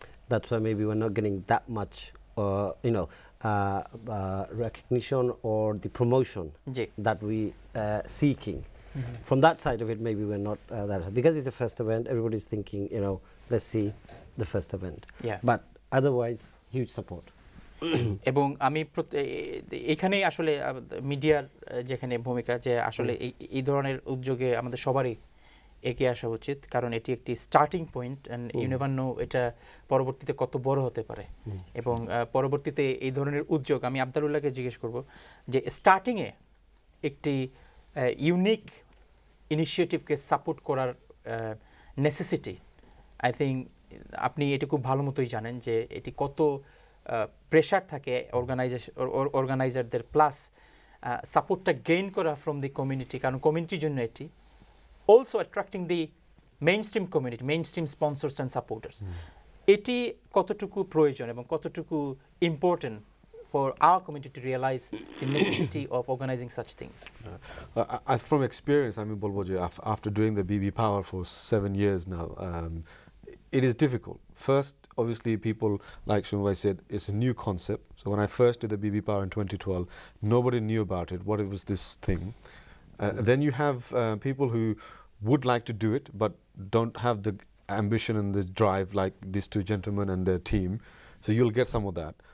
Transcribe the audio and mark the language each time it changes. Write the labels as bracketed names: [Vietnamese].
[English] That's why maybe we're not getting that much, recognition or the promotion that we seeking. Mm-hmm. From that side of it, maybe we're not that. Because it's the first event, everybody's thinking, you know, let's see the first event. Yeah. But otherwise, huge support. [Bangla] এবং আমি এখানেই আসলে মিডিয়ার যেখানে ভূমিকা, যে আসলে এই ধরনের উদ্যোগে আমাদের সবারই এগিয়ে আসা উচিত, কারণ এটি একটি স্টার্টিং পয়েন্ট, অ্যান্ড ইউনিভার্নো এটা পরবর্তীতে কত বড় হতে পারে, এবং পরবর্তীতে এই ধরনের উদ্যোগ, আমি আব্দুল্লাহকে জিজ্ঞেস করব যে স্টার্টিংয়ে একটি ইউনিক ইনিশিয়েটিভকে সাপোর্ট করার নেসেসিটি, [English] I think [Bangla] আপনি এটি খুব ভালো মতোই জানেন যে এটি কত প্রেশার থাকে অর্গানাইজারদের, প্লাস সাপোর্টটা গেইন করা ফ্রম দি কমিউনিটি, কারণ কমিউনিটির জন্য এটি [English] also attracting the mainstream community, [Bangla] main stream sponsors and supporters, এটি কতটুকু প্রয়োজন এবং কতটুকু important [English] For our community to realise the necessity of organising such things? [Bangla] From experience আমি বলবো যে [English] After doing the BB Power for 7 years now, it is difficult. First, obviously, people, like Shumbhai said, it's a new concept. So when I first did the BB Power in 2012, nobody knew about it, what it was, this thing. Then you have people who would like to do it, but don't have the ambition and the drive like these two gentlemen and their team. So you'll get some of that.